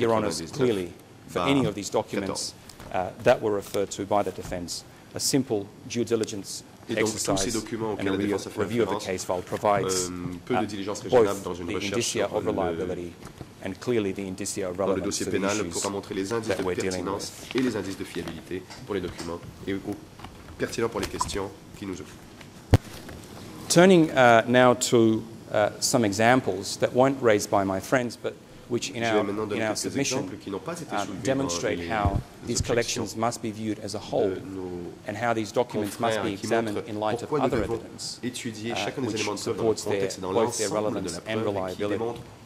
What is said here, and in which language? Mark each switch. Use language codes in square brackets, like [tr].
[en] Your Honours, clearly, for any of these documents that were referred to by the defence, a simple due diligence exercise and a review of the case file provides both the indicia of reliability and clearly the indicia of relevance to the issues that we're dealing with. [fr] Et les indices de fiabilité pour les documents et pertinents pour les questions qui nous occupent. [en] Turning now to some examples that weren't raised by my friends, but which in our submission demonstrate how these collections must be viewed as a whole and how these documents must be examined in light of other evidence which supports both their relevance and reliability.